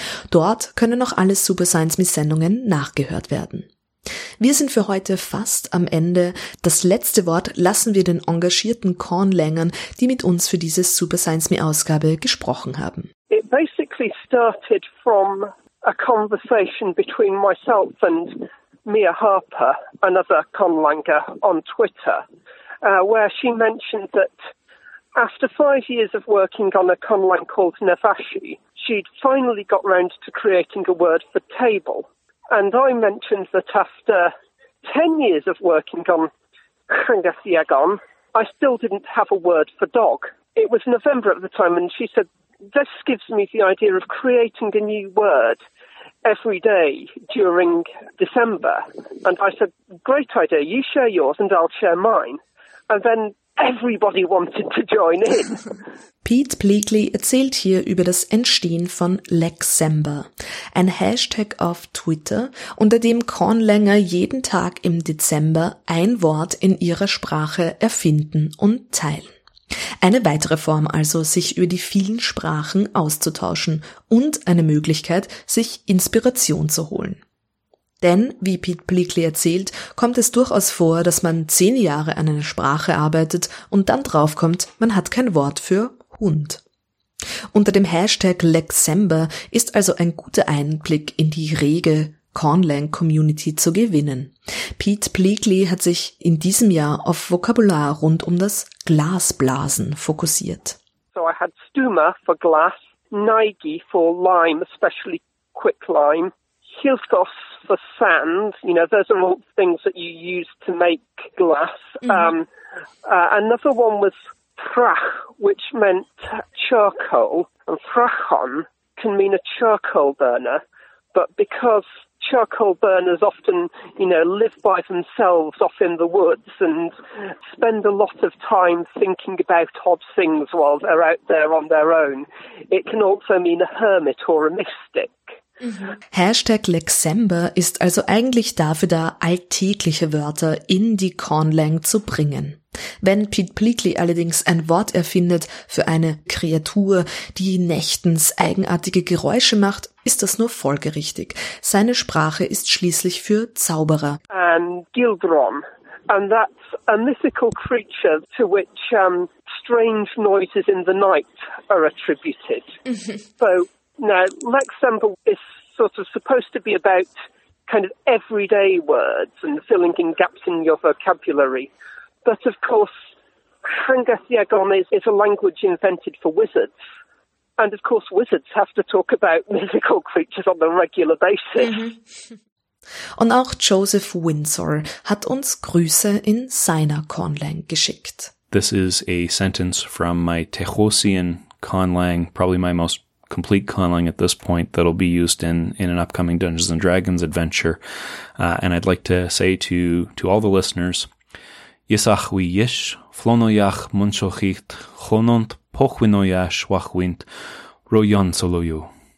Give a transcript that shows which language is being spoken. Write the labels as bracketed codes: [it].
[de] Dort können auch alle Super Science Miss Sendungen nachgehört werden. Wir sind für heute fast am Ende. Das letzte Wort lassen wir den engagierten Conlängern, die mit uns für diese Super Science Me Ausgabe gesprochen haben. [en] It basically started from a conversation between myself and Mia Harper, another Conlanger, on Twitter, where she mentioned that after 5 years of working on a Conlang called Navashi, she'd finally got round to creating a word for table. And I mentioned that after 10 years of working on Chengathiagon, I still didn't have a word for dog. It was November at the time, and she said, this gives me the idea of creating a new word every day during December. And I said, great idea, you share yours and I'll share mine. And then everybody wanted to join in. [de] Pete Bleakley erzählt hier über das Entstehen von Lexember, ein Hashtag auf Twitter, unter dem Conlanger jeden Tag im Dezember ein Wort in ihrer Sprache erfinden und teilen. Eine weitere Form also, sich über die vielen Sprachen auszutauschen und eine Möglichkeit, sich Inspiration zu holen. Denn, wie Pete Bleakley erzählt, kommt es durchaus vor, dass man 10 Jahre an einer Sprache arbeitet und dann draufkommt, man hat kein Wort für Hund. Unter dem Hashtag Lexember ist also ein guter Einblick in die rege Conlang-Community zu gewinnen. Pete Bleakley hat sich in diesem Jahr auf Vokabular rund um das Glasblasen fokussiert. [en] So I had Stuma for glass, Nigi for lime, especially quick lime, Hilthos for sand, you know, those are all things that you use to make glass. Another one was Thrach, which meant charcoal, and Thrachon can mean a charcoal burner, but because charcoal burners often, you know, live by themselves off in the woods and spend a lot of time thinking about odd things while they're out there on their own, it can also mean a hermit or a mystic. [de] Hashtag Lexember ist also eigentlich dafür da, alltägliche Wörter in die Conlang zu bringen. Wenn Pete Bleakley allerdings ein Wort erfindet für eine Kreatur, die nächtens eigenartige Geräusche macht, ist das nur folgerichtig. Seine Sprache ist schließlich für Zauberer. [en] Gilgron. And that's a mythical creature to which strange noises in the night are attributed. So now, Lexember is sort of supposed to be about kind of everyday words and filling in gaps in your vocabulary. But of course, Hangathiagon is a language invented for wizards. And of course, wizards have to talk about mythical creatures on a regular basis. [de] Und auch Joseph Windsor hat uns Grüße in seiner Conlang geschickt. [en] This is a sentence from my Texosian Conlang, probably my most complete Conlang at this point, that'll be used in an upcoming Dungeons and Dragons adventure. And I'd like to say to all the listeners, Yisach hui yish, flonoyach munchochit, chonont pochwinoyash wachwint, royon soloyu.